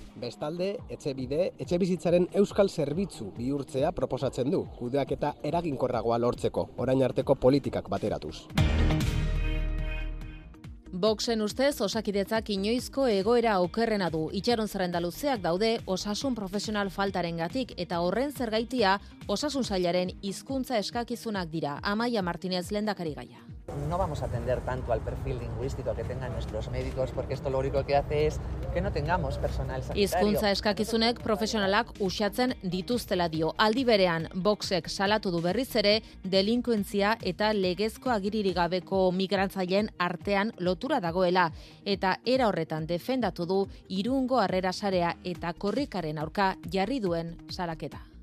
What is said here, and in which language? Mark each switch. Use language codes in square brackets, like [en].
[eu] Bestalde, Etxebide, etxe bizitzaren euskal zerbitzu bihurtzea proposatzen du, kudeak eta eraginkorragoa lortzeko, orain arteko politikak bateratuz. Boxen ustez, Osakidetzak inoizko egoera okerrena du. Itxaron zerrenda luzeak daude osasun profesional faltarengatik eta horren zergaitia osasun sailaren hizkuntza eskakizunak dira. Amaia Martinez lehendakari gaia. [es] No vamos a atender tanto al perfil lingüístico que tengan nuestros médicos porque esto lo único que hace es que no tengamos personal sanitario. [eu] Hizkuntza eskakizunek profesionalak uxatzen dituztela dio. Aldi berean, Boxek salatu du berriz ere delinkuentzia eta legezko agiririk gabeko migrantzaileen artean lotura dagoela eta era horretan defendatu du Irungo harrera sarea eta korrikaren aurka jarri duen salaketa.